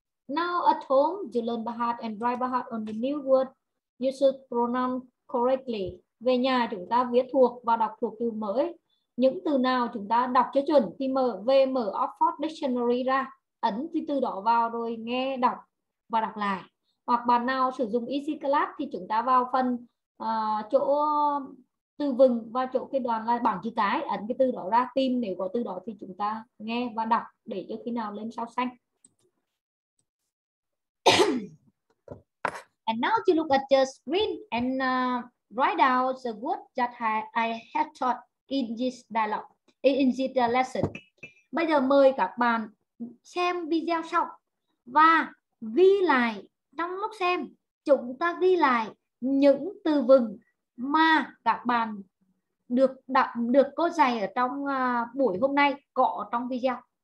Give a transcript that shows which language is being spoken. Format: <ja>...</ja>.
<en>Now at home, you learn Bahat and write Bahat on the new word. You should pronounce correctly.</en> <vi>Về nhà chúng ta viết thuộc và đọc thuộc từ mới. Những từ nào chúng ta đọc cho chuẩn thì mở Oxford Dictionary ra, ấn cái từ đó vào rồi nghe đọc và đọc lại. Hoặc bạn nào sử dụng Easy Class thì chúng ta vào phần chỗ từ vựng và chỗ cái đoạn là bảng chữ cái, ấn cái từ đó ra tìm, nếu có từ đó thì chúng ta nghe và đọc để cho khi nào lên sao xanh.</vi> <en>And now you look at your screen and write down the words that I have taught in this dialogue, in this lesson.</en> <vi>Bây giờ mời các bạn xem video xong và ghi lại, trong lúc xem chúng ta ghi lại những từ vựng mà các bạn được cô dạy ở trong buổi hôm nay, có trong video.</vi>